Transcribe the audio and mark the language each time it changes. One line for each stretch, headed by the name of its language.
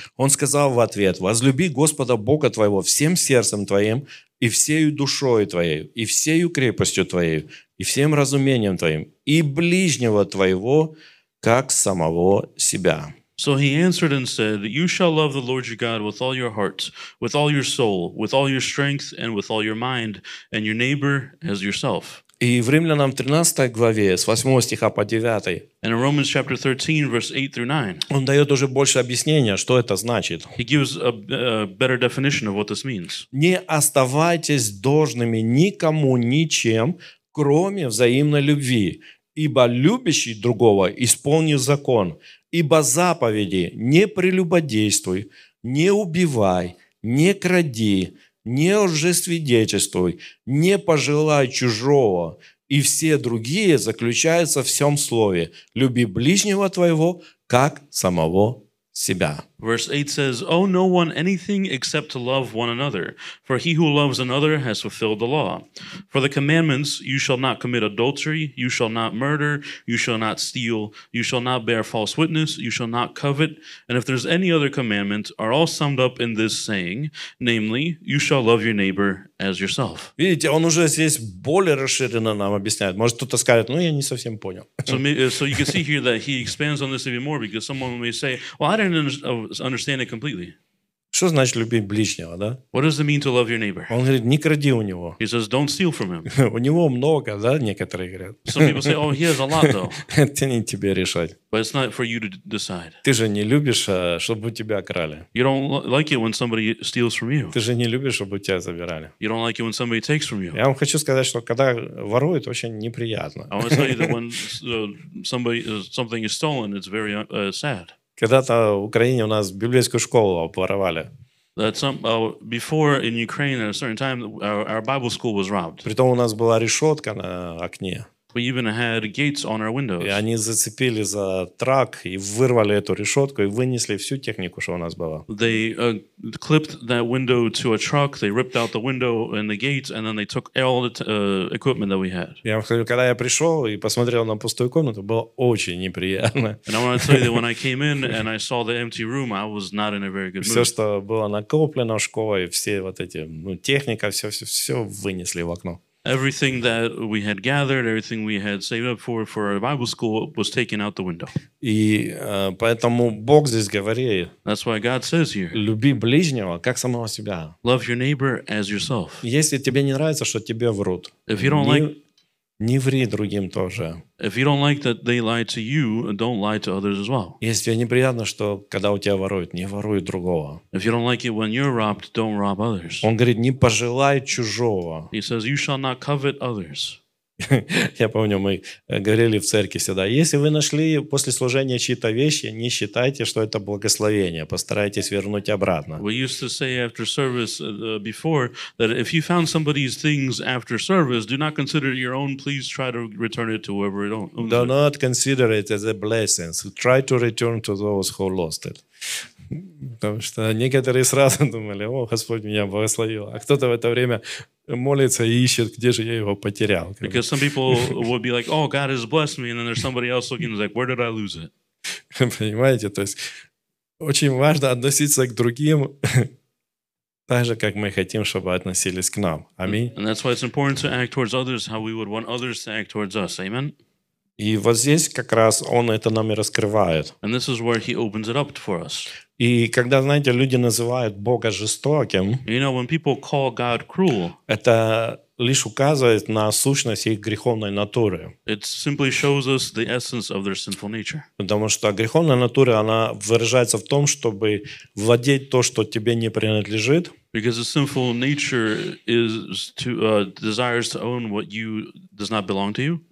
Russian: Он сказал в ответ, «Возлюби Господа Бога твоего всем сердцем твоим и всею душою твоей, и всею крепостью твоей, и всем разумением твоим, и ближнего твоего, как самого себя».
English: So he answered and said, you shall love the Lord your God with all your heart, with all your soul, with all your strength, and with all your mind, and your neighbor as yourself.
Russian: И в Римлянам 13 главе, с 8 стиха по 9,
English: and in Romans chapter 13, verse 8 through 9,
Russian: он дает уже больше объяснения, что это значит.
English: He gives a better definition of what this means.
Russian: Не оставайтесь должными никому, ничем, кроме взаимной любви, ибо любящий другого исполнит закон. Ибо заповеди «не прелюбодействуй», «не убивай», «не кради», «не лжесвидетельствуй», «не пожелай чужого» и все другие заключаются в всем слове «люби ближнего твоего, как самого себя».
English: Verse 8 says, "Owe no one anything except to love one another, for he who loves another has fulfilled the law. For the commandments, you shall not commit adultery, you shall not murder, you shall not steal, you shall not bear false witness, you shall not covet, and if there's any other commandment, are all summed up in this saying, namely, you shall love your neighbor as yourself."
Russian: Видите, он уже здесь более расширенно нам объясняет. Может, кто-то скажет, ну, я не совсем понял.
English: So you can see here that he expands on this even more, because someone may say, well, I didn't understand it completely.
Russian: Что значит любить ближнего, да?
English: What does it mean to love your neighbor?
Russian: Он говорит, не кради у него.
English: He says, don't steal from him.
Russian: У него много, да, некоторые говорят.
English: Some people say, oh, he has a lot, though.
Russian: Это не тебе решать.
English: But it's not for you to decide.
Russian: Ты же не любишь, чтобы у тебя крали.
English: You don't like it when somebody steals from you.
Russian: Ты же не любишь, чтобы у тебя забирали.
English: You don't like it when somebody takes from you.
Russian: Я вам хочу сказать, что когда воруют, очень неприятно.
English: I want to tell you that when somebody, something is stolen, it's very sad.
Russian: Когда-то в Украине у нас библейскую школу обворовали.
English: Before in Ukraine at a certain time our Bible school was robbed.
Russian: Притом у нас была решетка на окне.
English: We even had gates on our windows.
Russian: И они зацепили за трак и вырвали эту решетку и вынесли всю технику, что у нас была.
English: They clipped that window to a truck. They ripped out the window and the gates, and then they took all the equipment that we had.
Russian: Я вам скажу, когда я пришел и посмотрел на пустую комнату, было очень неприятно.
English: And I want to tell you that when I came in and I saw the empty room, I was not in a very good mood.
Russian: Все, что было накоплено в школе, все вот эти, ну, техника, все вынесли в окно.
English: Everything that we had gathered, everything we had saved up for our Bible school was taken out the window.
Russian: И поэтому Бог здесь говорит.
English: That's why God says here.
Russian: Люби ближнего, как самого себя.
English: Love your neighbor as yourself.
Russian: Если тебе не нравится, что тебе врут, не ври другим тоже.
English: If you don't like that they lie to you, don't lie to others as well.
Russian: Если тебе неприятно, что когда у тебя воруют, не воруй другого.
English: If you don't like it when you're robbed, don't rob others.
Russian: Он говорит, не пожелай чужого.
English: He says, you shall not covet others.
Russian: Я помню, мы говорили в церкви всегда, если вы нашли после служения чьи-то вещи, не считайте, что это благословение, постарайтесь вернуть обратно.
English: We used to say after service before that if you found somebody's things after service, do not consider it your own, please try to return it to whoever it owns. Do not consider it as a blessing, so try to return to those who lost it.
Russian: Потому что некоторые сразу думали, о, Господь меня благословил. А кто-то в это время молится и ищет, где же я его потерял.
English: Because some people would be like, oh, God has blessed me, and then there's somebody else looking, like, where did I lose it?
Russian: Понимаете, то есть очень важно относиться к другим так же, как мы хотим, чтобы относились к нам. Аминь.
English: And that's why it's important to act towards others how we would want others to act towards us. Amen.
Russian: И вот здесь как раз он это нам и раскрывает.
English: And this is where he opens it up for us.
Russian: И когда, знаете, люди называют Бога жестоким,
English: you know, when people call God cruel,
Russian: это лишь указывает на сущность их греховной натуры.
English: It simply shows us the essence of their sinful nature.
Russian: Потому что греховная натура, она выражается в том, чтобы владеть то, что тебе не принадлежит.
English: Because the sinful nature is to desires to own what you does not belong to you.